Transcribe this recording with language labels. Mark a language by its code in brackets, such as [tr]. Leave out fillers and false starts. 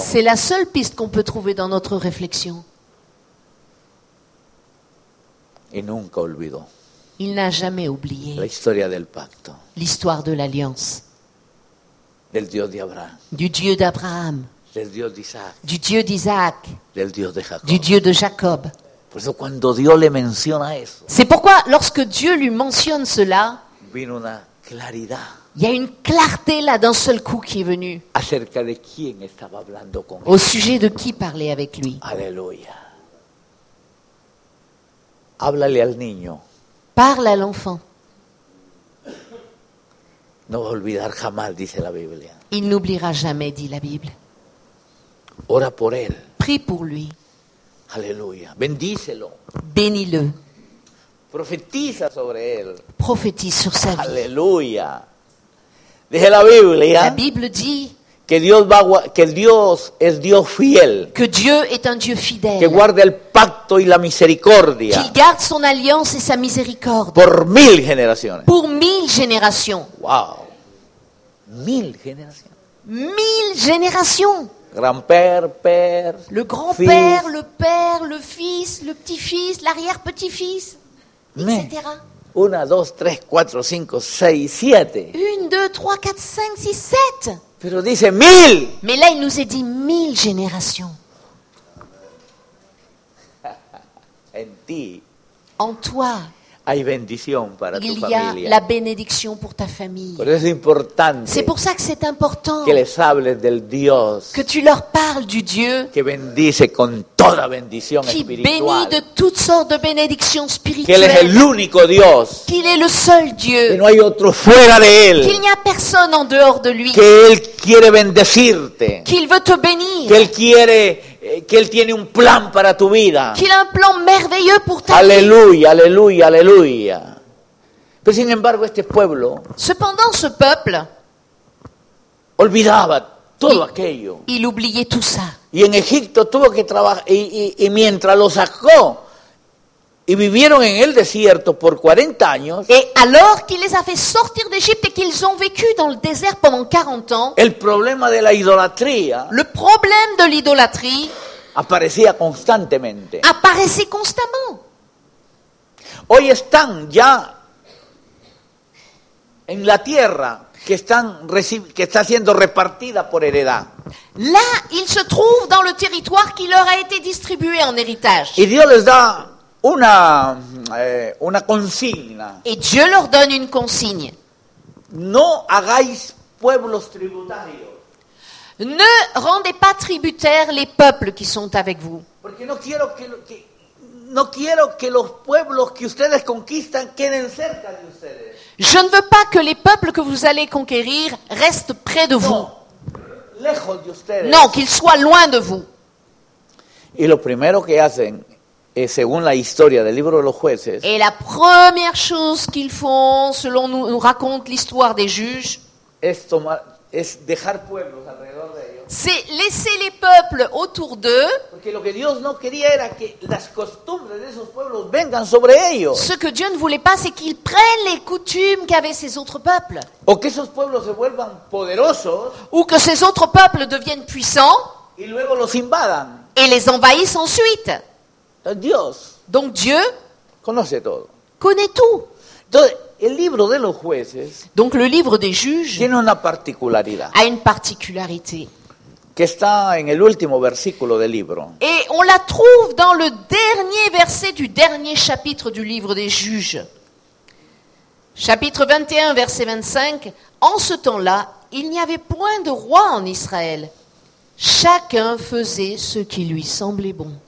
[fr] C'est la seule piste qu'on peut trouver dans notre réflexion. [es] Y nunca olvidó. [fr] Il n'a jamais oublié. [es] La historia del pacto. [fr] L'histoire de l'alliance. [es] Del Dios de Abraham. [fr] Du Dieu d'Abraham. [es] Del Dios de Isaac. [fr] Du Dieu d'Isaac. [es] Del Dios de Jacob. [fr] Du Dieu de Jacob. [es] Por eso cuando Dios le menciona eso. [fr] C'est pourquoi lorsque Dieu lui mentionne cela. [es] Vino una claridad. [fr] Il y a une clarté là d'un seul coup qui est venue. [es] Acerca de quién estaba hablando con [fr] él. Au sujet de qui parlait avec lui. [es] Aleluya. Háblale al niño. [fr] Parle à l'enfant. [es] No va a olvidar jamás, dice la Biblia. [fr] Il n'oubliera jamais, dit la Bible. [es] Ora por él. [fr] Prie pour lui. [es] Aleluya. Bendícelo. [fr] Bénis-le. [es] Profetiza sobre él. [fr] Prophétise sur sa vie. [es] Aleluya. Dice la Biblia. [fr] La Bible dit. [es] Que Dios va, que Dios es Dios fiel. [fr] Que Dieu est un Dieu fidèle. [es] Que guarda el pacto y la misericordia. [fr] Qu'il garde son alliance et sa miséricorde. [es] Por mil generaciones. [fr] Pour mille générations. [es] Wow. Mil generaciones. [fr] Mille générations. Grand-père, père. Le grand-père, fils. Le père, le fils, le petit-fils, l'arrière-petit-fils, etc. [es] Una, dos, tres, cuatro, cinco, seis, siete. [fr] Une, deux, trois, quatre, cinq, six, sept. [es] Pero dice mil. [fr] Mais là, il nous a dit mille générations. [es] En ti. [fr] En toi. [es] Hay bendición para tu familia. [fr] Il y a la bénédiction pour ta famille. [es] Por eso es importante. [fr] C'est pour ça que c'est important. [es] Que les hables del Dios. [fr] Que tu leur parles du Dieu. [es] Que bendice con toda bendición [fr] qui [es] espiritual. [fr] Qui bénit de toutes sortes de bénédictions spirituelles. [es] Que él es el único Dios. [fr] Qu'il est le seul Dieu. [es] Que no hay otro fuera de él. [fr] Qu'il n'y a personne en dehors de lui. [es] Que él quiere bendecirte. [fr] Qu'il veut te bénir. [es] Que él quiere que él tiene un plan para tu vida. [fr] Qu'il a un plan merveilleux pour ta [es] aleluya, [fr] vie. [es] Aleluya, aleluya, aleluya. Pero sin embargo, este pueblo, [fr] cependant, ce peuple, [es] olvidaba todo aquello. [fr] Il oubliait tout ça. [es] Y en Egipto tuvo que trabajar y mientras lo sacó y vivieron en el desierto por 40 años. [fr] Et alors qu'il les a fait sortir d'Égypte et qu'ils ont vécu dans le désert pendant 40 ans. [es] El problema de la idolatría. [fr] Le problème de l'idolâtrie. [es] Aparecía constantemente. [fr] Apparaissait constamment. [es] Hoy están ya en la tierra que están que está siendo repartida por heredad. [fr] Là, ils se trouvent dans le territoire qui leur a été distribué en héritage. [es] Y Dios les da una consigna. [fr] Et Dieu leur donne une consigne. [es] No hagáis pueblos tributarios. [fr] Ne rendez pas tributaires les peuples qui sont avec vous. [es] Porque no quiero que los pueblos que ustedes conquistan queden cerca de ustedes. [fr] Je ne veux pas que les peuples que vous allez conquérir restent près de [es] no, [fr] vous. [es] Lejos de ustedes. [fr] Non, qu'ils soient loin de vous. [es] Y lo primero que hacen según la historia del libro de los jueces. [fr] Et la première chose qu'ils font, selon nous raconte l'histoire des juges, [es] es dejar pueblos alrededor de ellos. [fr] C'est laisser les peuples autour d'eux. [es] Porque lo que Dios no quería era que las costumbres de esos pueblos vengan sobre ellos. [fr] Ce que Dieu ne voulait pas, c'est qu'ils prennent les coutumes qu'avaient ces autres peuples. [es] O que esos pueblos se vuelvan poderosos. [fr] Ou que ces autres peuples deviennent puissants. [es] Y luego los invadan. [fr] Et les envahissent ensuite. [es] Dios. [fr] Donc Dieu [es] conoce todo. [fr] Connaît tout. [es] Entonces, el libro de los jueces. [fr] Donc le livre des juges. [es] Tiene una particularidad. [fr] A une particularité. [es] Que está en el último versículo del libro. [fr] Et on la trouve dans le dernier verset du dernier chapitre du livre des juges. Chapitre 21 verset 25. En ce temps-là, il n'y avait point de roi en Israël. Chacun faisait ce qui lui semblait bon.